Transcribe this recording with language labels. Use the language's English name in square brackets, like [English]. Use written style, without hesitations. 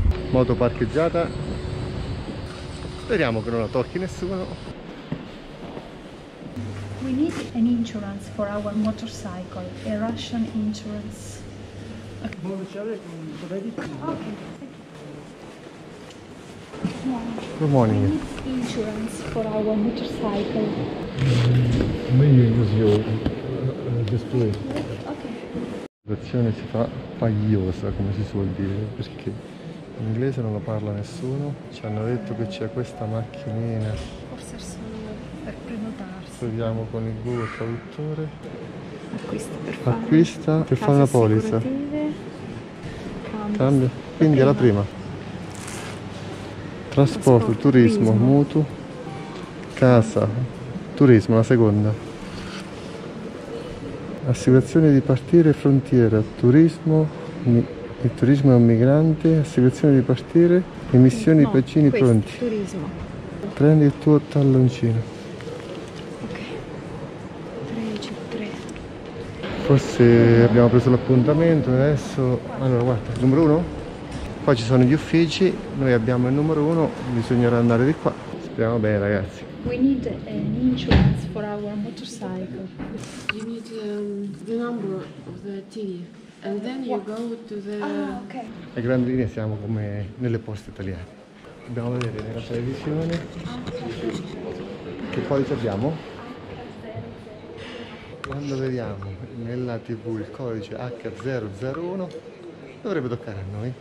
[Italian] Moto parcheggiata, speriamo che non la tocchi nessuno. [English] We need an insurance for our motorcycle, a Russian insurance. Good morning. We need insurance for our motorcycle. [Italian] Meglio [English] use your display. Okay. [Italian] La situazione si fa pagliosa, come si suol dire, perché in inglese non lo parla nessuno. Ci hanno detto che c'è questa macchinina. Forse è solo per prenotarsi. Proviamo con il Google Traduttore. Acquista per fare una polizza. Cambio. Quindi prima. È la prima. Trasporto, turismo, mutuo. Casa, turismo, la seconda. Assicurazione di partire, frontiera, turismo. Il turismo è un migrante, assicurazione di partire, emissioni, no, vaccini, questo, pronti. Turismo. Prendi il tuo talloncino. Ok. 3. Forse abbiamo preso l'appuntamento, adesso. Allora guarda, numero uno. Qua ci sono gli uffici, noi abbiamo il numero uno, bisognerà andare di qua. Speriamo bene ragazzi. [English] We need an insurance for our motorcycle. You need the number of the TV. And then you go to the... Ah, ok. [Italian] A grandi linee siamo come nelle poste italiane. Dobbiamo vedere nella televisione. Che codice abbiamo? Quando vediamo nella TV il codice H001, dovrebbe toccare a noi.